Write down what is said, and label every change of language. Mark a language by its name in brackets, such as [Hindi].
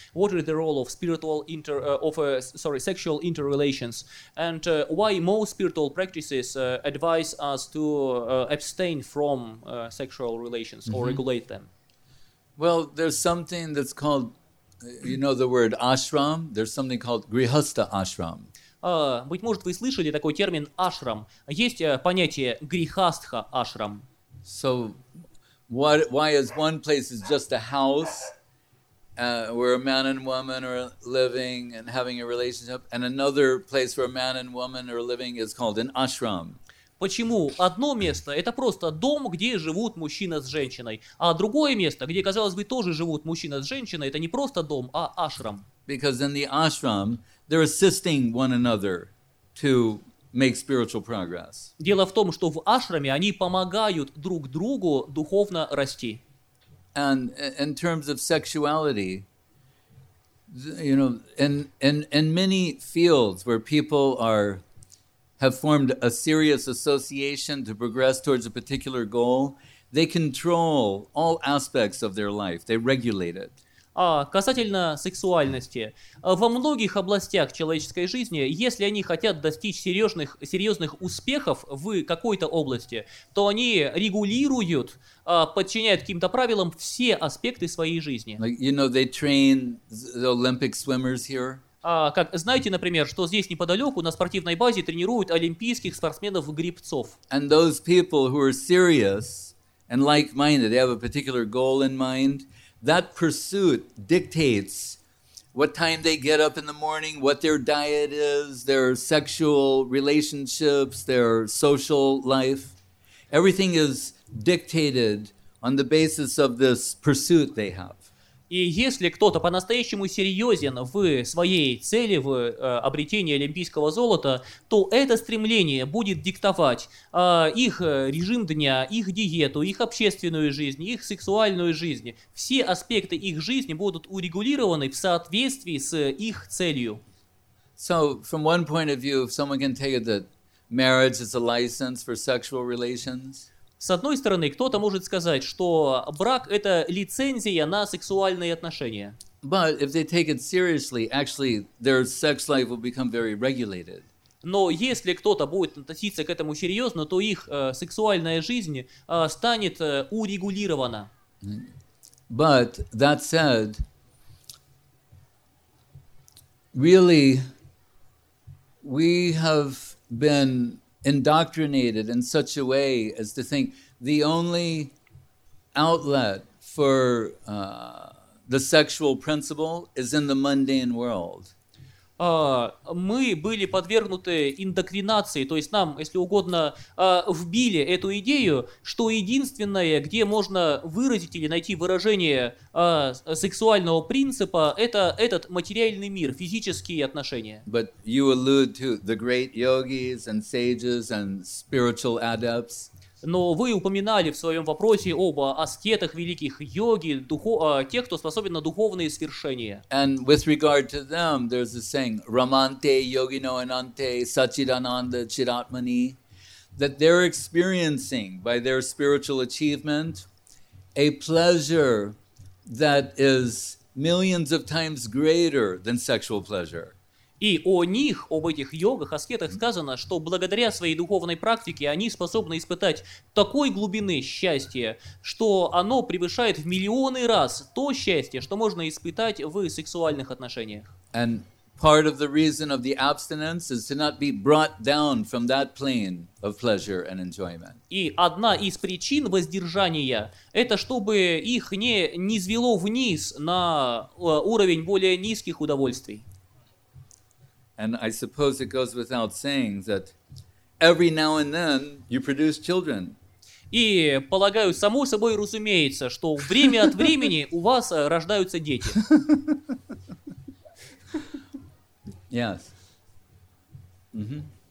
[English] What is the role of sexual interrelations, and why most spiritual practices advise us to abstain from sexual relations or regulate them? Well, there's something that's called, you know, the word ashram. There's something called grihastha ashram. [Russian] Быть может, вы слышали такой термин ашрам. Есть понятие грихастха ашрам. [English] So why is one place is just a house where a man and woman are living and having a relationship, and another place where a man and woman are living is called an ashram? [Russian] Почему одно место – это просто дом, где живут мужчина с женщиной, а другое место, где, казалось бы, тоже живут мужчина с женщиной, это не просто дом, а ашрам? [English] Because in the ashram, they're assisting one another to make spiritual progress. [Russian] Дело в том, что в ашраме они помогают друг другу духовно расти. [English] And in terms of sexuality, you know, in many fields where people are have formed a serious association to progress towards a particular goal, they control all aspects of their life. They regulate it. [Russian] А касательно сексуальности, во многих областях человеческой жизни, если они хотят достичь серьезных успехов в какой-то области, то они регулируют, подчиняют каким-то правилам все аспекты своей жизни. [English] Like, you know, they train the Olympic swimmers here. [Russian] Как, знаете, например, что здесь неподалеку на спортивной базе тренируют олимпийских спортсменов-гребцов. [English] And those people who are serious and like-minded, they have a particular goal in mind. That pursuit dictates what time they get up in the morning, what their diet is, their sexual relationships, their social life. Everything is dictated on the basis of this pursuit they have. [Russian] И если кто-то по-настоящему серьезен в своей цели, в обретении олимпийского золота, то это стремление будет диктовать их режим дня, их диету, их общественную жизнь, их сексуальную жизнь. Все аспекты их жизни будут урегулированы в соответствии с их целью. [English] So, from one point of view, someone can take it that marriage is a license for sexual relations. [Russian] С одной стороны, кто-то может сказать, что брак – это лицензия на сексуальные отношения. [English] But if they take it seriously, actually, their sex life will become very regulated. [Russian] Но если кто-то будет относиться к этому серьезно, то их сексуальная жизнь станет урегулирована. [English] But that said, really, we have been indoctrinated in such a way as to think the only outlet for the sexual principle is in the mundane world. [Russian] Мы были подвергнуты индоктринации, то есть нам, если угодно, вбили эту идею, что единственное, где можно выразить или найти выражение сексуального принципа, это этот материальный мир, физические отношения. [English] But you allude to the great yogis and sages and spiritual adepts. [Russian] Но вы упоминали в своем вопросе об аскетах, великих йоги, тех, кто способен на духовные свершения. [English] And with regard to them, there's a saying, [Sanskrit] Ramante yogino anante sachidananda chiratmani, [English] that they're experiencing by their spiritual achievement a pleasure that is millions of times greater than sexual pleasure. [Russian] И о них, об этих йогах, аскетах сказано, что благодаря своей духовной практике они способны испытать такой глубины счастья, что оно превышает в миллионы раз то счастье, что можно испытать в сексуальных отношениях. [English] And part of the reason of the abstinence is to not be brought down from that plane of pleasure and enjoyment. [Russian] И одна из причин воздержания – это чтобы их не свело вниз на уровень более низких удовольствий. [English] And I suppose it goes without saying that every now and then you produce children. [Russian] И полагаю, само собой разумеется, что время от времени у вас рождаются дети. [English] Yes. Mm-hmm.